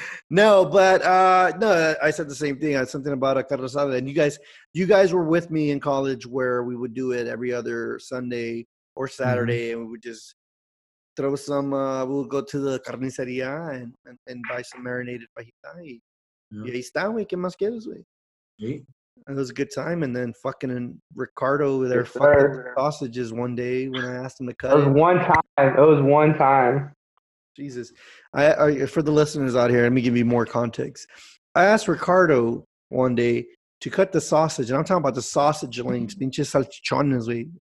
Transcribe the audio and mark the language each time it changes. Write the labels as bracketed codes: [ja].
[en] No, I said the same thing. I had something about a carrasada. And you guys were with me in college where we would do it every other Sunday or Saturday. Mm-hmm. And we would just throw some, we'll go to the carniceria and buy some marinated fajita. [es] Y ahí está, güey. ¿Qué más quieres, güey? [en] It was a good time, and then fucking Ricardo with their sausages one day when I asked him to cut. It was one time. Jesus. I for the listeners out here, let me give you more context. I asked Ricardo one day to cut the sausage, and I'm talking about the sausage links, [es] pinches salchichones.